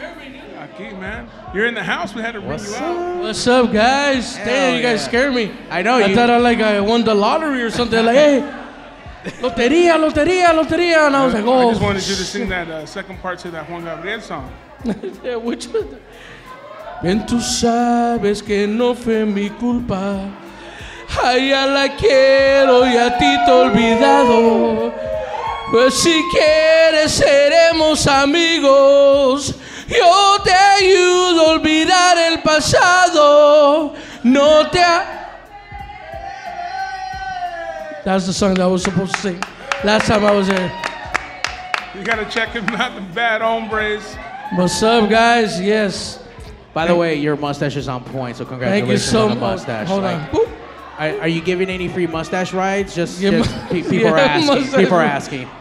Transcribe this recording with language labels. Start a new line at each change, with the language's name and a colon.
English: Man. You're in the house. We had to bring you out. What's up, guys? Damn, you guys scared me. I know. I thought I won the lottery or something. Like, hey. Loteria, loteria, loteria. And I was like, oh. I just wanted you to sing that second part to that Juan Gabriel song. Which one?
Spanish: Ven, tú sabes que no fue mi culpa. Ay, ya la quiero y a ti te he olvidado. Pues si quieres, seremos amigos. Yo te ayudo a olvidar el pasado. No te.
English: That's the song that I was supposed to sing last time I was there. You gotta check him out, the bad hombres. What's up, guys? Yes. By the way, your mustache is on point, so congratulations on the mustache. Hold on. Are you giving any free mustache rides? People are asking.